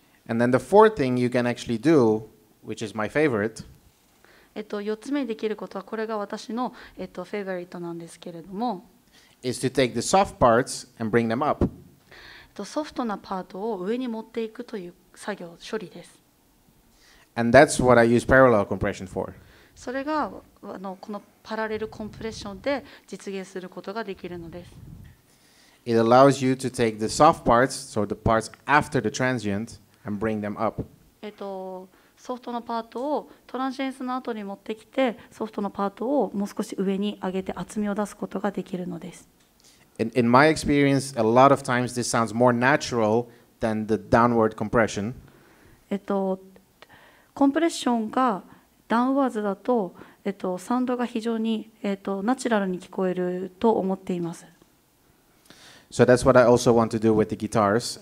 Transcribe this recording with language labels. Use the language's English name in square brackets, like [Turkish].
[English] And then the fourth thing you can actually do, which is my favorite. [Japanese] 四つ目にできることはこれが私のフェイバリットなんですけれども。 [English] Is to take the soft parts and bring them up. [Japanese] ソフトなパートを上に持っていくという作業処理です。 [English] And that's what I use parallel compression for. [Japanese] それがこのパラレルコンプレッションで実現することができるのです。 [English] It allows you to take the soft parts, so the parts after the transient. And bring them up. [Japanese] ソフトのパートをトランジェンスの後に持ってきて、ソフトのパートをもう少し上に上げて厚みを出すことができるのです。 [English] In my experience, a lot of times this sounds more natural than the downward compression. [Japanese] コンプレッションがダウンワーズだと、サウンドが非常に、ナチュラルに聞こえると思っています。 [English] So that's what I also want to do with the guitars.